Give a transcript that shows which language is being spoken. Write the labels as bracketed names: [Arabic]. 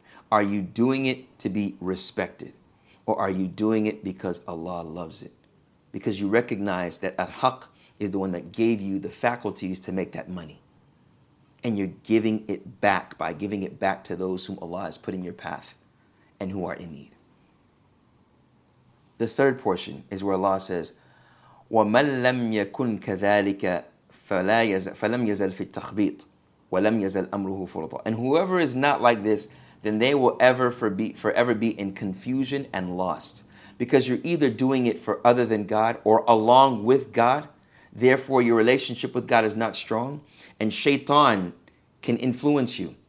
[English] Are you doing it to be respected? Or are you doing it because Allah loves it? Because you recognize that al-haq is the one that gave you the faculties to make that money. And you're giving it back by giving it back to those whom Allah has put in your path and who are in need. The third portion is where Allah says, [Arabic] وَمَنْ لَمْ يَكُنْ كَذَلِكَ فَلَمْ يَزَلْ فِي التَّخْبِيطِ وَلَمْ يَزَلْ أَمْرُهُ فُرْطًا. [English] And whoever is not like this, then they will ever be in confusion and lost. because you're either doing it for other than God or along with God. Therefore, your relationship with God is not strong, and Shaitan can influence you.